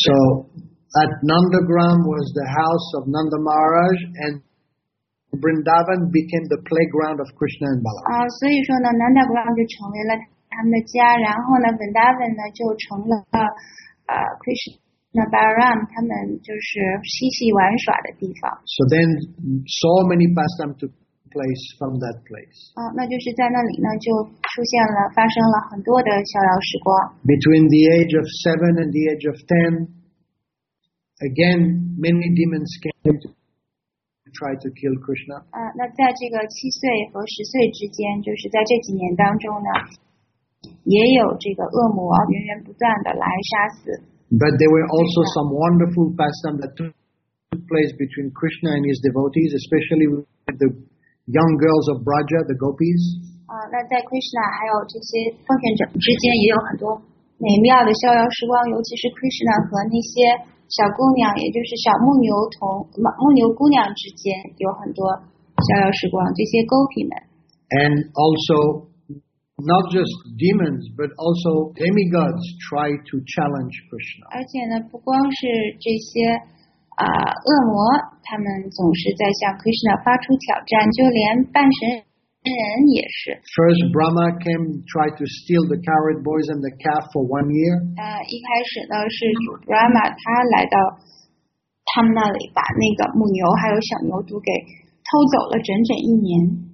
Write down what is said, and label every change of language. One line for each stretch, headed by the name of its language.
English: So, at Nandagram was the house of Nanda Maharaj, and Vrindavan became the playground of Krishna and Balaram.
Chinese: 所以说呢 ，Nandagram 就成为了他们的家，然后呢 ，Vrindavan 呢就成了Krishna Balaram 他们就是嬉戏玩耍的地方。
English: So then, so many pastimes took place from that place.
Chinese: 那就是在那里呢就出现了发生了很多的逍遥时光。
English: Between the age of 7 and the age of 10, again many demons came to try to kill Krishna.
Chinese: 那在这个七岁和十岁之间，就是在这几年当中呢，也有这个恶魔源源不断的来杀死。
English: But there were also some wonderful pastimes that took place between Krishna and his devotees, especially with the young girls of Braja, the gopis.
Chinese: 那在 Krishna 还有这些奉献者之间也有很多美妙的逍遥时光，尤其是 Krishna 和那些小姑娘，也就是小牧牛童、牧牛姑娘之间有很多逍遥时光，这些 gopi 们。
English: And also,Not just demons, but also demigods try to challenge Krishna.
Chinese: 而且呢，不光是这些恶魔，他们总是在向 Krishna 发出挑战，就连半神人也是。
English: First, Brahma came try to steal the cowherd boys and the calf for 1 year.
Chinese: 一开始呢是 Brahma 他来到他们那里，把那个母牛还有小牛都给偷走了整整一年。